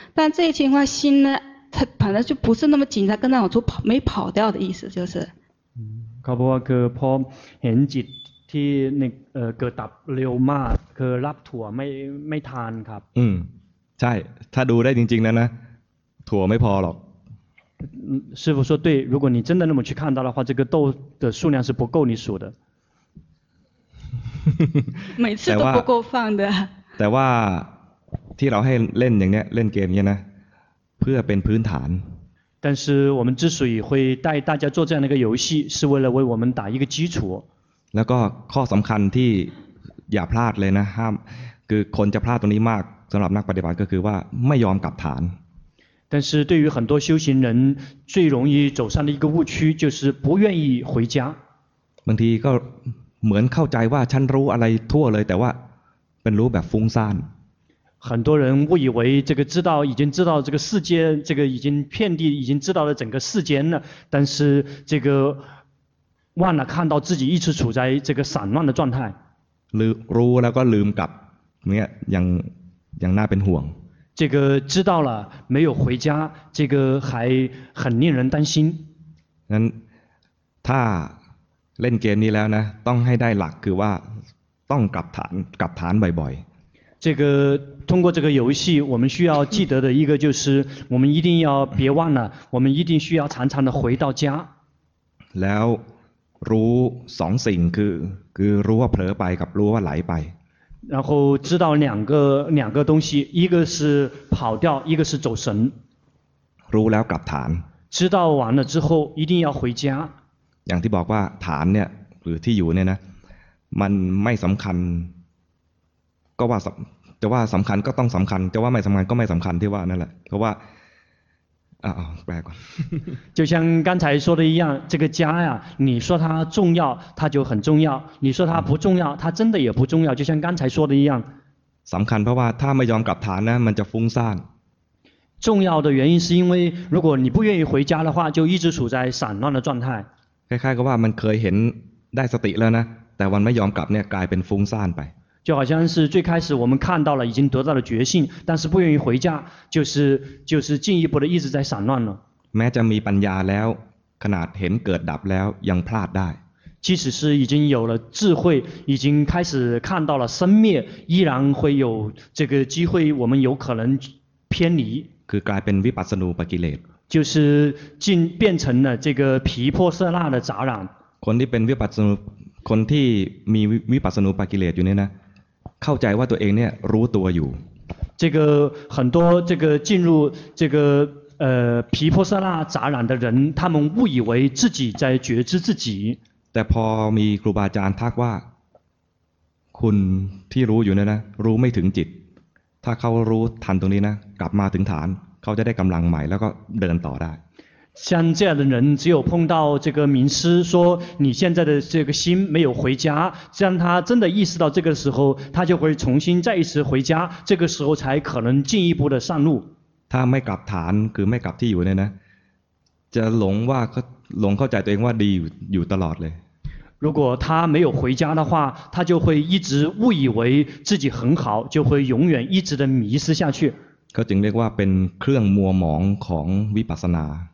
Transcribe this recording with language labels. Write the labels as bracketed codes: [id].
[zh] 但这一情况心呢，他反正就不是那么紧张，跟着我就跑，没跑掉的意思就是。 [th] เขาบอกว่าคือพอเห็นจิตที่เกิดดับเร็วมากคือรับถั่วไม่ทันครับ อืมใช่ถ้าดูได้จริงๆนะถั่วไม่พอหรอก [zh] 师父说对如果你真的那么去看到的话这个豆的数量是不够你数的每次都不够放的 [th] แต่ว่าที่เราให้เล่นอย่างเนี้ยเล่นเกมเนี้ยนะเพื่อเป็นพื้นฐาน [zh] 但是我们之所以会带大家做这样的一个游戏是为了为我们打一个基础 [th] แล้วก็ข้อสำคัญที่อย่าพลาดเลยนะห้ามคือคนจะพลาดตรงนี้มากสำหรับนักปฏิบัติก็คือว่าไม่ยอมกลับฐาน [zh] 但是对于很多修行人最容易走上的一个误区就是不愿意回家 [th] บางทีก็เหมือนเข้าใจว่าฉันรู้อะไรทั่วเลยแต่ว่าเป็นรู้แบบฟุ้งซ่าน [zh] 很多人误以为这个知道已经知道这个世界这个已经遍地已经知道了整个世间了但是这个忘了看到自己一直处在这个散乱的状态 [th] รู้แล้วก็ลืมกลับเนี่ยยังน่าเป็นห่วง [zh] 这个知道了没有回家这个还很令人担心 [th] นั้นถ้าเล่นเกมนี้แล้วนะต้องให้ได้หลักคือว่าต้องกลับฐานบ่อยๆ [zh] 这个通过这个游戏我们需要记得的一个就是我们一定要别忘了我们一定需要常常的回到家 [th] แล้วรู้สองสิ่งคือรู้ว่าเผลอไปกับรู้ว่าไหลไป [zh] 然后知道两个东西一个是跑掉一个是走神 [th] รู้แล้วกลับฐาน [zh] 知道完了之后一定要回家 [th] อย่างที่บอกว่าฐานเนี่ยหรือที่อยู่เนี่ยนะมันไม่สำคัญก็ว่าจะว่าสำคัญก็ต้องสำคัญจะว่าไม่สำคัญก็ไม่สำคัญที่ว่านั่นแหละเพราะว่าแปลก่อน [zh] 就像刚才说的一样这个家呀你说它重要它就很重要你说它不重要它真的也不重要就像刚才说的一样 [th] สำคัญเพราะว่าถ้าไม่ยอมกลับฐานนะมันจะฟุ้งซ่าน [zh] 重要的原因是因为如果你不愿意回家的话就一直处在散乱的状态 [th] คล้ายๆกับว่ามันเคยเห็นได้สติแล้วนะแต่วันไม่ยอมกลับเนี่ยกลายเป็นฟุ้งซ่านไป [zh] 就好像是最开始我们看到了已经得到了觉性但是不愿意回家就是进一步的一直在散乱了 [th] แม้จะมีปัญญาแล้วขนาดเห็นเกิดดับแล้วยังพลาดได้ [zh] 即使是已经有了智慧已经开始看到了生灭依然会有这个机会我们有可能偏离 [th] คือกลายเป็นวิปัสสนูปกิเลส [zh] 就是变成了这个皮破色纳的杂染 [th] คนที่เป็นวิปัสสนูคนที่มีวิปัสสนูปกิเลสอยู่เนี่ยนะเข้าใจว่าตัวเองเนี่ยรู้ตัวอยู่ [zh] 这个很多这个进入这个皮婆舍那杂染的人他们误以为自己在觉知自己 [th] แต่พอมีครูบาอาจารย์ทักว่าคุณที่รู้อยู่เนี่ยนะรู้ไม่ถึงจิตถ้าเขารู้ทันตรงนี้นะกลับมาถึงฐานเขาจะได้กำลังใหม่แล้วก็เดินต่อได้ [zh] 像这样的人只有碰到这个名师说你现在的这个心没有回家让他真的意识到这个时候他就会重新再一次回家这个时候才可能进一步的上路他 [th] ไม่กลับฐานคือไม่กลับที่อยู่เนี่ยนะจะหลงว่าหลงเข้าใจตัวเองว่าดีอยู่ตลอดเลย [zh] 如果他没有回家的话他就会一直误以为自己很好就会永远一直的迷失下去 [th] เขาจึงเรียกว่าเป็นเครื่องมัวหมองของวิปัสสนา